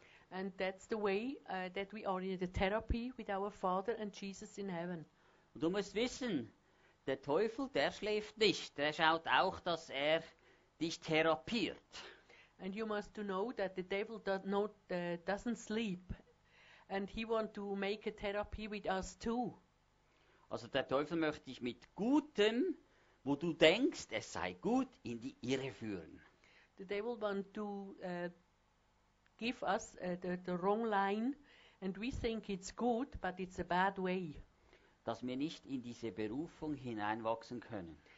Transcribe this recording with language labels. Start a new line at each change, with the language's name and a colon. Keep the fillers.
English: And that's the way that we are in the therapy with our Father and Jesus in heaven.
German: Und du musst wissen, der Teufel, der schläft nicht. Der schaut auch, dass er dich therapiert.
English: And you must to know that the devil does not uh, doesn't sleep, and he want to make a therapy with us too.
German: Also der Teufel möchte dich mit Gutem, wo du denkst, es sei gut, in die Irre führen.
English: The devil want to uh, give us uh, the, the wrong line, and we think it's good, but it's a bad way
German: dass wir nicht in diese Berufung hineinwachsen können.